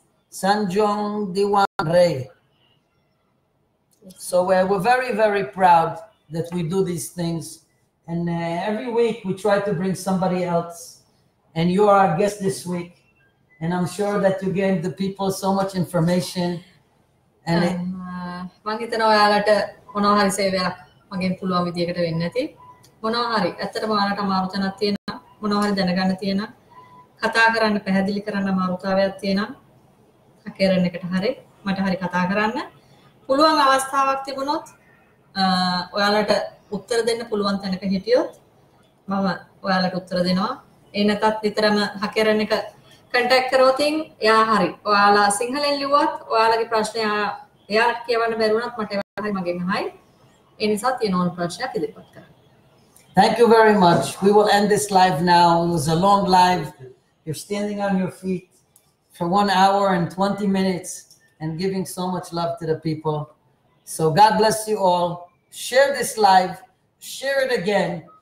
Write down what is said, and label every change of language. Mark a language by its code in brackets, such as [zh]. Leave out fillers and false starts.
[en] Sanjong Diwan Ray. So we're very, very proud that we do these things. And every week we try to bring somebody else, and you are our guest this week, and I'm sure that you gave the people so much information. And [si] මංගිතනෝ ඔයාලට මොනවා හරි සේවයක් මගෙන් පුළුවන් විදියකට වෙන්න ඇති මොනවා හරි ඇත්තටම ඔයාලට අමාරුතාවක් තියෙනවා මොනවා හරි දැනගන්න තියෙනවා කතා කරන්න පැහැදිලි කරන්න අමාරුතාවයක් තියෙනවා හකේරන් එකට හරි මට හරි කතා කරන්න පුළුවන් අවස්ථාවක් තිබුණොත් ඔයාලට උත්තර දෙන්න පුළුවන් තැනක හිටියොත් මම ඔයාලට උත්තර දෙනවා ඒ නැත්නම් විතරම හකරන් එක කන්ටැක්ට් කරොත් එයා හරි ඔයාලා සිංහලෙන් ලිව්වත් ඔයාලගේ ප්‍රශ්න එයාට කියවන්න බැරි වුණත් මට එවහයි මගෙන් අහයි ඒ නිසා තියෙනවා ප්‍රශ්න ඉදිරිපත් කරන්න [en] Thank you very much. We will end this live now. It was a long live. You're standing on your feet. for 1 hour and 20 minutes and giving so much love to the people. So God bless you all. Share this live. Share it again.